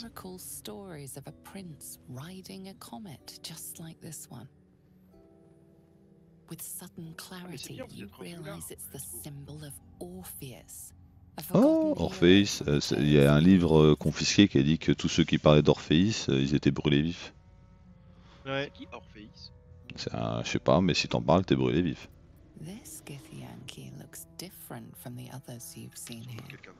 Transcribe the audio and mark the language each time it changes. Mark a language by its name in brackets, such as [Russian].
[English] You recall stories of a prince riding a comet just like this one. With sudden clarity, you realize it's the symbol of Orpheus. [French] Oh, Orpheus, il y a un livre confisqué qui a dit que tous ceux qui parlaient d'Orpheus, ils étaient brûlés vifs. Ouais. C'est qui Orpheus? C'est un, je sais pas, mais si t'en parles, t'es brûlé vif. [English] This Githyanki looks different from the others you've seen here.